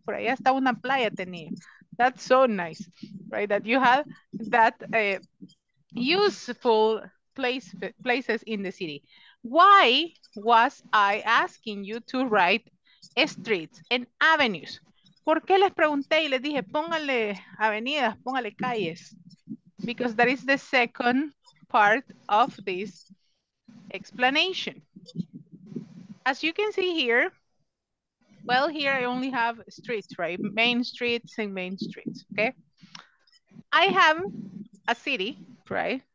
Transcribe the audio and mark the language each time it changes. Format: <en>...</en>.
<es>Por ahí hasta una playa tenía.</es> <en>That's so nice, right? That you have that useful places in the city. Why was I asking you to write streets and avenues?</en> <es>¿Por qué les pregunté y les dije, póngale avenidas, póngale calles?</es> <en>Because that is the second part of this explanation. As you can see here, well, here I only have streets, right? Main streets and main streets, okay? I have a city, right?</en>